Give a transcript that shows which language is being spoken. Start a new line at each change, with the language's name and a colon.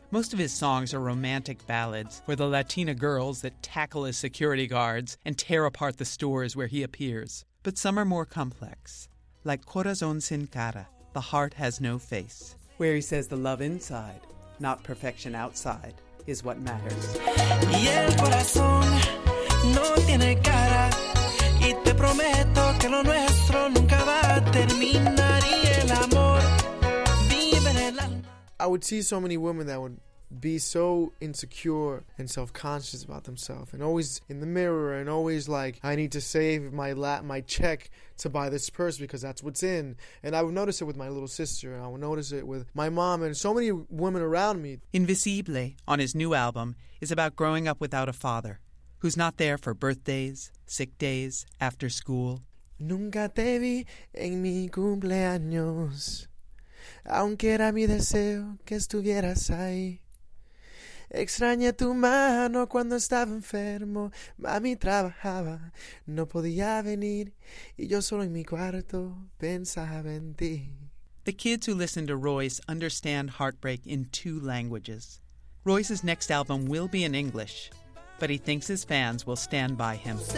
English: Most of his songs are romantic ballads for the Latina girls that tackle his security guards and tear apart the stores where he appears. But some are more complex, like Corazón Sin Cara, The Heart Has No Face, where he says the love inside, not perfection outside, is what matters.
Spanish: Y el corazón no tiene cara. Y te prometo que lo nuestro nunca va a terminar. Y el amor vive en el alma.
English: I would see so many women that would be so insecure and self-conscious about themselves, and always in the mirror, and always like, I need to save my check to buy this purse because that's what's in. And I would notice it with my little sister, and I would notice it with my mom and so many women around me. Invisible, on his new album, is about growing up without a father, who's not there for birthdays, sick days, after school.
Spanish: Nunca te vi en mi cumpleaños, aunque era mi deseo que estuvieras ahí. Extrañé tu mano cuando estaba enfermo. Mami trabajaba, no podía venir. Y yo solo en mi cuarto pensaba en ti.
English: The kids who listen to Royce understand heartbreak in two languages. Royce's next album will be in English, but he thinks his fans will stand by him.